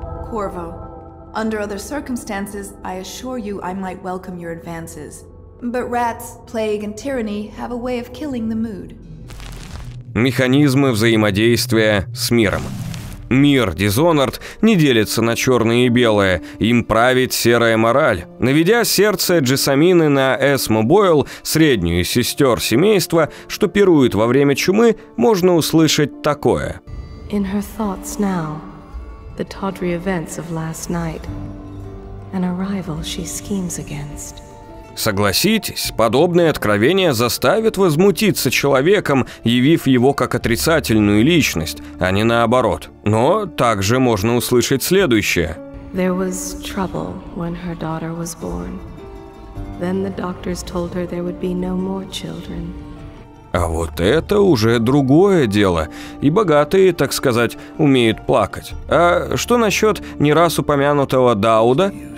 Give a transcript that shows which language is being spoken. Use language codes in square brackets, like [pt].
[en] Corvo, under other circumstances, I assure you I might welcome your advances. But rats, plague and tyranny have a way of killing the mood. [ru] Механизмы взаимодействия с миром. Мир Dishonored не делится на черное и белое, им правит серая мораль. Наведя сердце Джессамины на Эсму Бойл, среднюю из сестер семейства, что пирует во время чумы, можно услышать такое. [en] In her thoughts now, the tawdry events of last night, an arrival she schemes against. [ru] Согласитесь, подобные откровения заставят возмутиться человеком, явив его как отрицательную личность, а не наоборот. Но также можно услышать следующее. [en] There was trouble when her daughter was born. Then the doctors told her there would be no more children. [ru] А вот это уже другое дело, и богатые, так сказать, умеют плакать. А что насчет не раз упомянутого Дауда?